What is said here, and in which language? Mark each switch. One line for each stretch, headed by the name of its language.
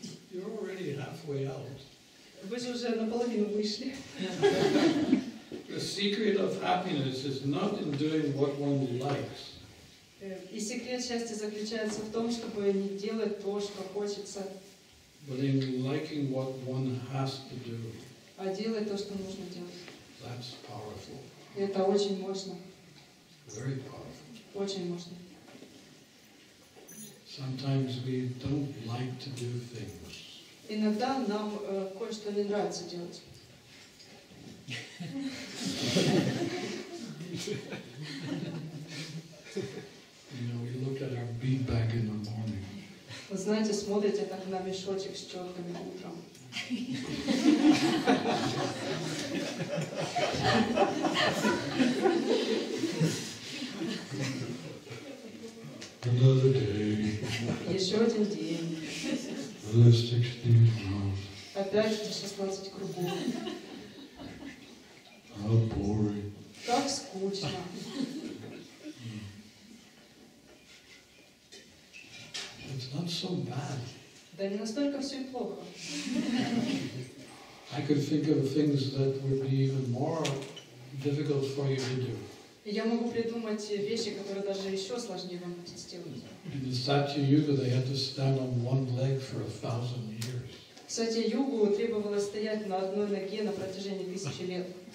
English: You're already halfway out.
Russian: Вы же уже наполовину вышли.
English: The secret of happiness is not in doing what one likes.
Russian: И секрет счастья заключается в том, чтобы не делать то, что хочется.
English: But in liking what one has to do.
Russian: А делать то, что нужно делать.
English: That's powerful.
Russian: Это очень мощно.
English: Very powerful.
Russian: Очень мощно.
English: Sometimes we don't like to do things.
Russian: Иногда нам кое-что не нравится делать.
English: You know, we look at our bean bag in the morning.
Russian: Вы знаете, смотрите так на мешочек с чёрками утром.
English: Another day.
Russian: Ещё один день.
English: Another 16 rounds.
Russian: Опять 16 кругов.
English: How boring.
Russian: Как скучно.
English: It's not so bad.
Russian: Да не настолько все плохо.
English: I could think of things that would be even more difficult for you to do.
Russian: Я могу придумать вещи, которые даже еще сложнее вам сделать.
English: In the Satya Yuga, they had to stand on one leg for 1,000 years.
Russian: Кстати, Югу требовалось стоять на одной ноге на протяжении 1000 лет.